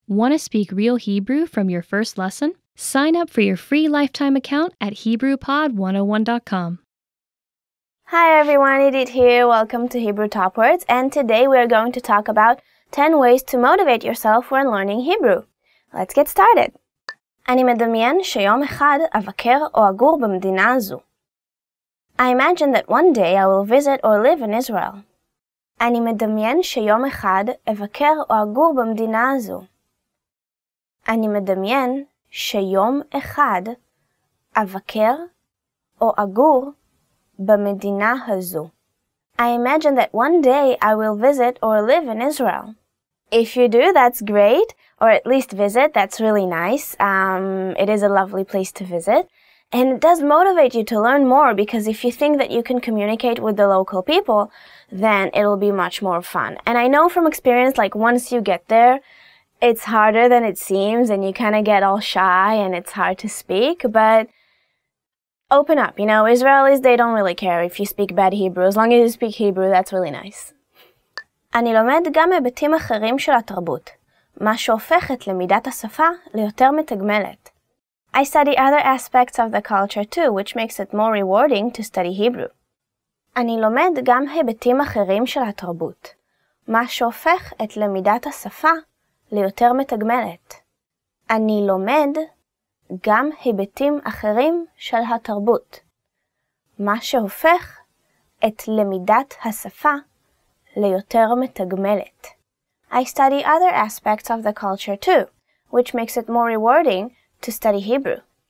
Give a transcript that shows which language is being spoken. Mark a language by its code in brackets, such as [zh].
[en] Want to speak real Hebrew from your first lesson? Sign up for your free lifetime account at HebrewPod101.com. Hi everyone, Edith here. Welcome to Hebrew Top Words, and today we are going to talk about 10 ways to motivate yourself when learning Hebrew. Let's get started. [he] אני מדמיין שיום אחד אבקר או אגור במדינה הזו. [en] I imagine that one day I will visit or live in Israel. [he] אני מדמיין שיום אחד אבקר או אגור במדינה הזו. אני מדמיין שיום אחד אבקר או אגור במדינה הזו. [en] I imagine that one day I will visit or live in Israel. If you do, that's great. Or at least visit, that's really nice. It is a lovely place to visit. And it does motivate you to learn more, because if you think that you can communicate with the local people, then it'll be much more fun. And I know from experience, like, once you get there, it's harder than it seems, and you kind of get all shy, and it's hard to speak, but open up. You know, Israelis, they don't really care if you speak bad Hebrew. As long as you speak Hebrew, that's really nice. [he] אני לומד גם היבטים אחרים של התרבות, מה שהופך את למידת השפה ליותר מתגמלת. [en] I study other aspects of the culture too, which makes it more rewarding to study Hebrew. [he] אני לומד גם היבטים אחרים של התרבות, מה שהופך את למידת השפה ליותר מתגמלת. אני לומד גם היבטים אחרים של התרבות, מה שהופך את למידת השפה ליותר מתגמלת. [en] I study other aspects of the culture too, which makes it more rewarding to study Hebrew.